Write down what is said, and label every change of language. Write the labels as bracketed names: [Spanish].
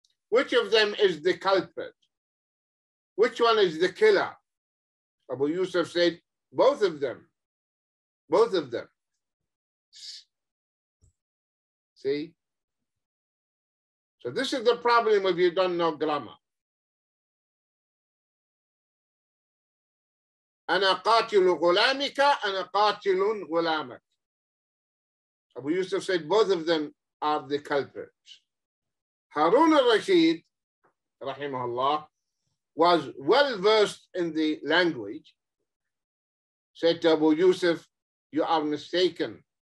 [English] Which of them is the culprit? Which one is the killer? Abu Yusuf said, both of them, both of them. See? So this is the problem if you don't know grammar. [Arabic] أنا قاتل غلامك، أنا قاتل غلامك. [English] Abu Yusuf said, both of them are the culprits. Harun al-Rashid, rahimahullah, was well-versed in the language, said to Abu Yusuf, you are mistaken.